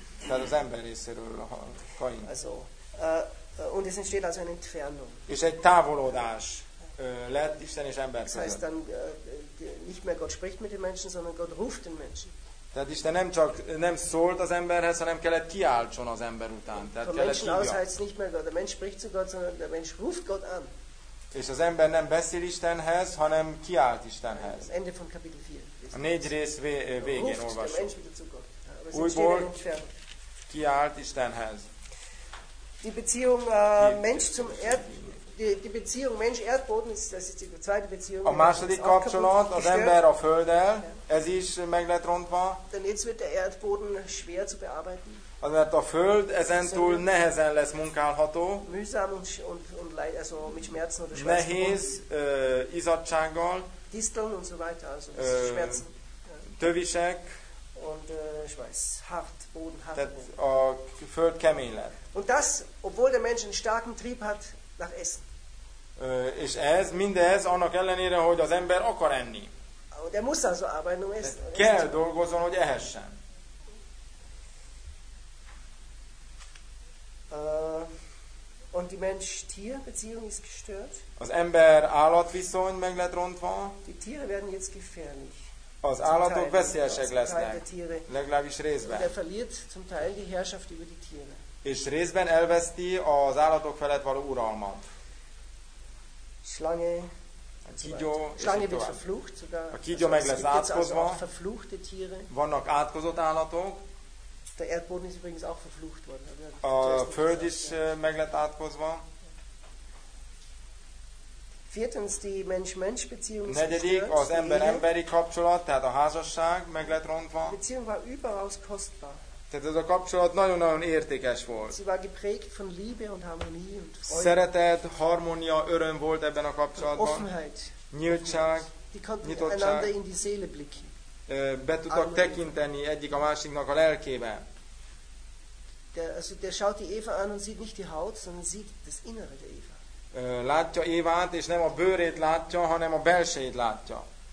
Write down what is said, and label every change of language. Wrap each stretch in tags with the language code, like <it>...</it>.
<hu>Tehát az ember részéről a Kain.</hu> <de>Also, und es entsteht also eine Entfernung.</de> <hu>És egy távolodás lett Isten és ember között.</hu> <de>Das heißt dann, nicht mehr Gott spricht mit den Menschen, sondern Gott ruft den Menschen.</de> <hu>Tehát Isten nem csak nem szólt az emberhez, hanem kellett kiáltson az ember után. Tehát</hu> <de>der Mensch heißt nicht mehr Gott, der Mensch spricht zu Gott, sondern der Mensch ruft Gott an.</de> <hu>És az ember nem beszél Istenhez, hanem kiált Istenhez.</hu> <de>Ende von Kapitel 4.</de> <hu>A négy rész végén olvasunk. Újból kiált Istenhez.</hu> <de>Die Beziehung Mensch zum die Beziehung Mensch Erdboden ist das ist die zweite Beziehung.</de> <hu>A második kapcsolat az ember a földdel, ez is meg lett rontva.</hu> <de>Denn jetzt wird der Erdboden schwer zu bearbeiten.</de> <hu>Az, mert a föld ezentúl nehezen lesz munkálható.</hu> <de>Mühsam und leid, also mit Schmerzen oder Schmerzen.</de> <hu>Nehéz izzadsággal.</hu> <de>Disteln und so weiter, also das Schmerzen.</de> <hu>Tövisek.</hu> <de>Und Schweiß, hart Boden, hart Boden.</de> <hu>A föld kemény lett.</hu> <de>Und das, obwohl der Mensch einen starken Trieb hat nach Essen.</de> <hu>És ez, mindez annak ellenére, hogy az ember akar enni.</hu> <de>Und er muss also arbeiten, um essen.</de> <hu>De kell dolgozzon, hogy ehessen.</hu> <de>Und die Mensch-Tier-Beziehung ist gestört.</de> <hu>Az ember-állatviszony meg lett rontva.</hu> <de>Die Tiere werden jetzt gefährlich.</de> <hu>Az állatok veszélyesek lesznek, legalábbis részben.</hu> <de>Er verliert zum Teil die Herrschaft über die Tiere.</de> <hu>És részben elveszti az állatok felett való uralmat.</hu> <de>Schlange,</de> <hu>a kígyó,</hu> <de>Schlange wird verflucht sogar.</de> <hu>A kígyó meg lesz átkozva.</hu> <de>Verfluchte Tiere.</de> <hu>Vannak átkozott állatok.</hu> <de>Der Erdboden ist übrigens auch verflucht worden.</de> <hu>A föld is meg lett átkozva.</hu> <de>Viertens, die Mensch-Mensch-Beziehung ist gestört.</de> <hu>Negyedik, az ember-emberi kapcsolat, tehát a házasság meg lett rontva.</hu> <de>Die Beziehung war überaus kostbar.</de> <hu>Tehát ez a kapcsolat nagyon-nagyon értékes volt.</hu> <de>Sie war geprägt von Liebe und Harmonie und Freude.</de> <hu>Szeretet, harmónia, öröm volt ebben a kapcsolatban.</hu> <de>Offenheit.</de> <hu>Nyíltság, nyitottság.</hu> <de>Einander in die Seele blicken.</de> <hu>Be tudtak tekinteni egyik a másiknak a lelkébe.</hu> <de>Der schaut die Eva an und sieht nicht die Haut, sondern sieht das Innere der Eva.</de> <hu>Látja Évát, és nem a bőrét látja, hanem a belsejét látja.</hu>